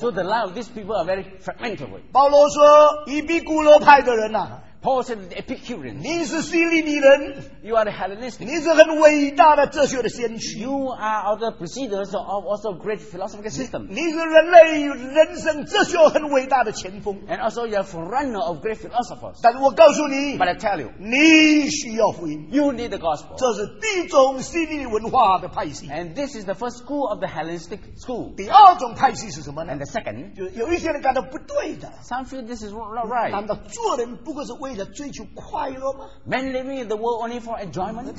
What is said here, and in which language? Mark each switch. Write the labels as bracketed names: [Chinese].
[English] So the life of these people are very fragmented. [Chinese] 保罗说，以比古罗派的人啊。 [English] Paul said, Epicurean. [Chinese] 你是希利尼人, [English] you are the Hellenistic. [Chinese] 你是很伟大的哲学的先驱, [English] you are of the preceders of also great philosophical system. [Chinese] 你是人类人生哲学很伟大的前锋, [English] and also you are forerunner of great philosophers. [Chinese] 但我告诉你, [English] but I tell you, [Chinese] 你需要福音, [English] you need the gospel. [Chinese] 这是第一种希利尼文化的派系, [English] and this is the first school of the Hellenistic school. [Chinese] 第二种派系是什么呢? [English] And the second, [Chinese] 有一些人感到不对的, [English] some feel this is not right. [Chinese] 难道做人不过是 为了追求快乐吗？ [English] Men living in the world only for enjoyment?